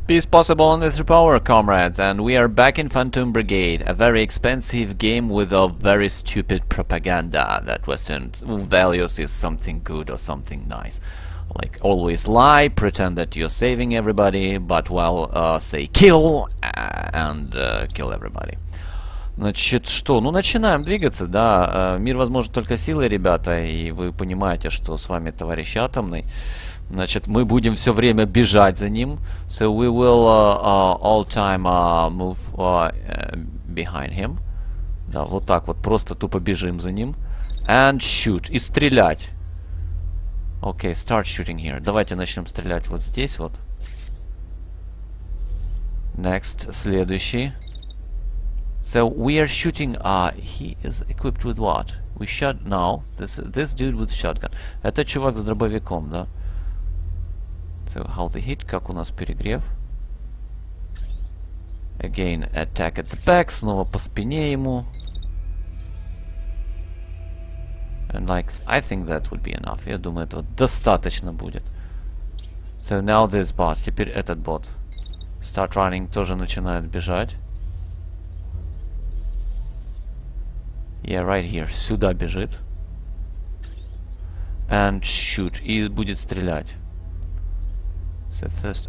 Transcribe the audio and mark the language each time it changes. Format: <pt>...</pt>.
<en>Peace possible on this power, comrades, and we are back in Phantom Brigade, a very expensive game with a very stupid propaganda that Western values is something good or something nice. Like, always lie, pretend that you're saving everybody, but, well, say kill, and kill everybody.</en> <ru>Значит, что? Ну, начинаем двигаться, да. Мир возможен только силой, ребята, и вы понимаете, что с вами товарищ Атомный. Значит, мы будем все время бежать за ним.</ru> <en>So we will all time move behind him.</en> <ru>Да, вот так вот, просто тупо бежим за ним.</ru> <en>And shoot,</en> <ru>и стрелять.</ru> <en>Okay, start shooting here.</en> <ru>Давайте начнем стрелять вот здесь вот.</ru> <en>Next,</en> <ru>следующий.</ru> <en>So we are shooting, he is equipped with what? We shot now, this dude with shotgun.</en> <ru>Это чувак с дробовиком, да?</ru> <en>So how the hit,</en> <ru>как у нас перегрев?</ru> <en>Again, attack at the back,</en> <ru>снова по спине ему.</ru> <en>And like, I think that would be enough.</en> <ru>Я думаю, этого достаточно будет.</ru> <en>So now this bot,</en> <ru>теперь этот бот.</ru> <en>Start running,</en> <ru>тоже начинает бежать.</ru> <en>Yeah, right here.</en> <ru>Сюда бежит.</ru> <en>And shoot.</en> <ru>И будет стрелять.</ru> <en>So first...</en>